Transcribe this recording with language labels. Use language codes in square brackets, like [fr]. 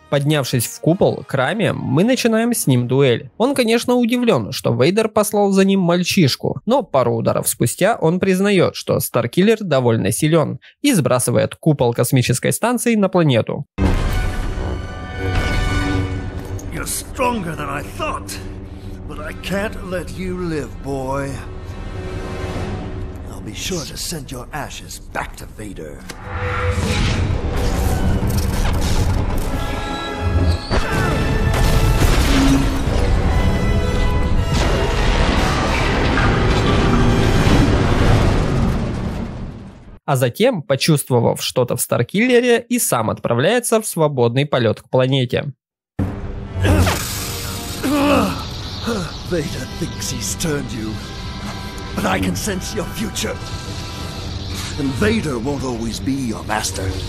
[ru] Поднявшись в купол к Раме, мы начинаем с ним дуэль. Он, конечно, удивлен, что Вейдер послал за ним мальчишку, но пару ударов спустя он признает, что Старкиллер довольно силен и сбрасывает купол космической станции на планету. [en] You're stronger than I thought, but I can't let you live, boy. I'll be sure to send your ashes back to Vader. [ru] А затем, почувствовав что-то в Старкиллере, и сам отправляется в свободный полет к планете. [en] Вейдер thinks he's turned you, but I can sense your future. And Vader won't always be your master.